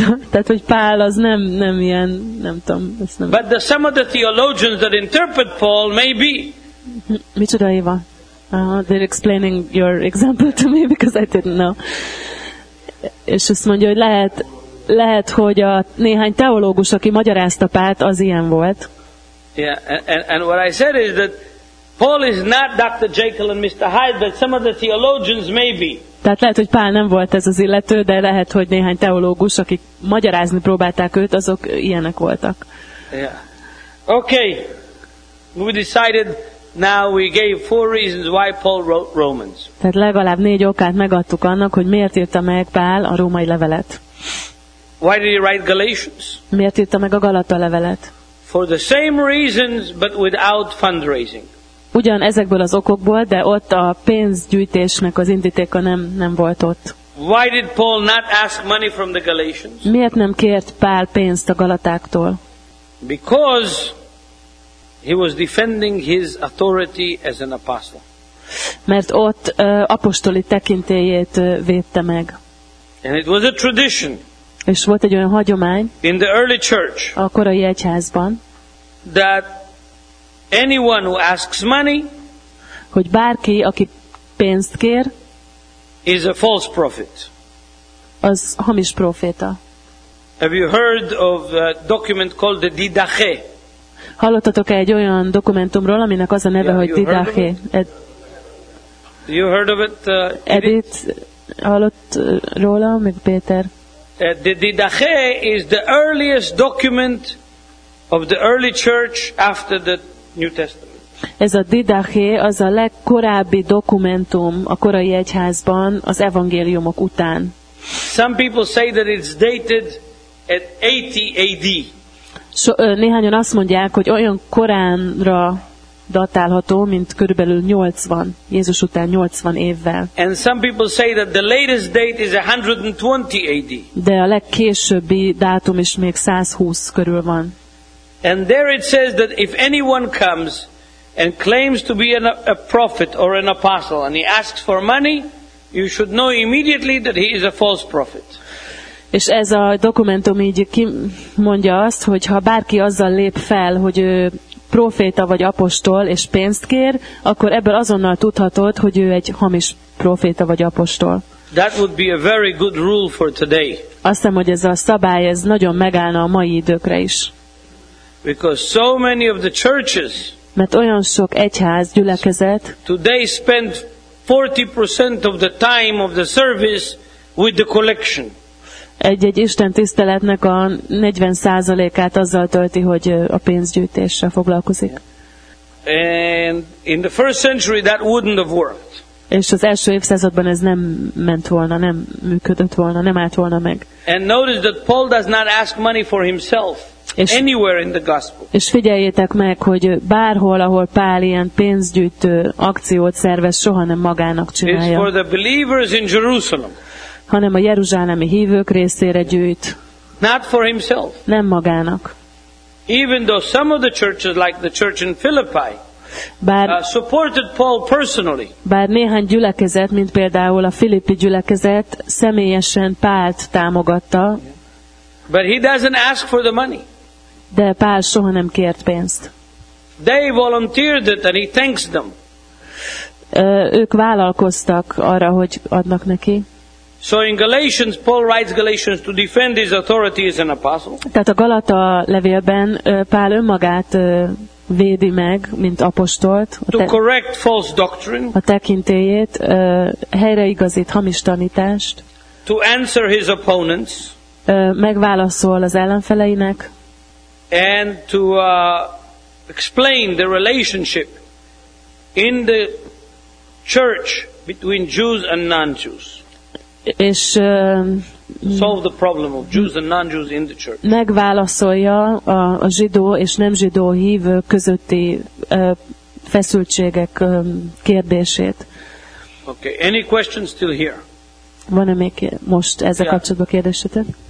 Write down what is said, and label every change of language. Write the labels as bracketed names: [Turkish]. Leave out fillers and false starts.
[Hungarian] Tehát, hogy Pál az nem ilyen, nem tudom, ezt nem. [English] But some of the theologians that interpret Paul may be. [Hungarian] Micsoda, Eva? [English] They're explaining your example to me because I didn't know. [Hungarian] És azt mondja, hogy lehet, hogy a néhány teológus, aki magyarázta Pált, az ilyen volt. [English] Yeah, and what I said is that Paul is not Dr. Jekyll and Mr. Hyde, but some of the theologians may be. [Hungarian] Tehát lehet, hogy Pál nem volt ez az illető, de lehet, hogy néhány teológus, akik magyarázni próbálták őt, azok ilyenek voltak. [English] Yeah. Okay. We decided now we gave four reasons why Paul wrote Romans. [Hungarian] Tehát legalább négy okát megadtuk annak, hogy miért írta meg Pál a római levelet. [English] Why did he write Galatians? [Hungarian] Miért írta meg a Galata levelet? [English] For the same reasons, but without fundraising. [Hungarian] Ugyan ezekből az okokból, de ott a pénzgyűjtésnek az indítéka nem volt ott. [English] Why did Paul not ask money from the Galatians? [Hungarian] Miért nem kért Pál pénzt a galatáktól? [English] Because he was defending his authority as an apostle. [Hungarian] Mert ott apostoli tekintélyét védte meg. [English] And it was a tradition. [Hungarian] És volt egy olyan hagyomány. [English] In the early church. [Hungarian] A korai egyházban. [English] That anyone who asks money, [Hungarian] hogy bárki, aki pénzt kér, [English] is a false prophet. [Hungarian] Az hamis proféta. [English] Have you heard of a document called the Didache? [Hungarian] Hallottatok-e egy olyan dokumentumról, aminek az a neve, hogy Didache? [English] You heard of it? [Hungarian] Edith, hallott róla, meg Péter? [English] The Didache is the earliest document of the early church after the New Testament. [Hungarian] Ez a Didache az a legkorábbi dokumentum a korai egyházban az evangéliumok után. [English] Some people say that it's dated at 80 AD. [Hungarian] Néhányan azt mondják, hogy olyan koránra datálható, mint körülbelül 80, Jézus után 80 évvel. [English] And some people say that the latest date is 120 AD. [Hungarian] De a legkésőbbi dátum is még 120 körül van. [English] And there it says that if anyone comes and claims to be a prophet or an apostle and he asks for money, you should know immediately that he is a false prophet. [Hungarian] És ez a dokumentum így kimondja azt, hogy ha bárki azzal lép fel, hogy ő proféta vagy apostol és pénzt kér, akkor ebből azonnal tudhatod, hogy ő egy hamis proféta vagy apostol. [English] That would be a very good rule for today. [Hungarian] Azt hiszem, hogy ez a szabály ez nagyon megállna a mai időkre is. [English] Because so many of the churches, [Hungarian] mert olyan sok egyház gyülekezet, [English] today spend 40% of the time of the service with the collection. [Hungarian] Egy-egy Isten tiszteletnek a 40%-át azzal tölti, hogy a pénzgyűjtéssel foglalkozik. [English] And in the first century that wouldn't have worked. [Hungarian] És az első évszázadban ez nem ment volna, nem működött volna, nem állt volna meg. [English] And notice that Paul does not ask money for himself. Anywhere in the gospel. [Hungarian] És figyeljétek meg, hogy bárhol, ahol Pál ilyen pénzgyűjtő akciót szervez, soha nem magának csinálja. [English] It's for the believers in Jerusalem. [Hungarian] Hanem a jeruzsálemi hívők részére gyűjt. [English] Not for himself. [Hungarian] Nem magának. [English] Even though some of the churches, like the church in Philippi, supported Paul personally. [Hungarian] Bár néhány gyülekezet, mint például a Filippi gyülekezet, személyesen Pált támogatta. [English] But he doesn't ask for the money. [Hungarian] De Pál soha nem kért pénzt. [English] They volunteered it and he thanks them. [Hungarian] Ők vállalkoztak arra, hogy adnak neki. [English] So in Galatians, Paul writes Galatians to defend his authority as an apostle. [Hungarian] Tehát a Galata levélben Pál önmagát védi meg, mint apostolt. [English] To correct false doctrine. [Hungarian] A tekintélyét, helyreigazít hamis tanítást. [English] To answer his opponents. [Hungarian] Megválaszol az ellenfeleinek. [English] And to explain the relationship in the church between Jews and non-Jews. [Hungarian] És [English] solve the problem of Jews and non-Jews in the church. [Hungarian] Megválaszolja a zsidó és nem zsidó hívő közötti feszültségek kérdését. [English] Okay, any questions still here? [Hungarian] Van-e még most ezzel kapcsolatban kérdésetek?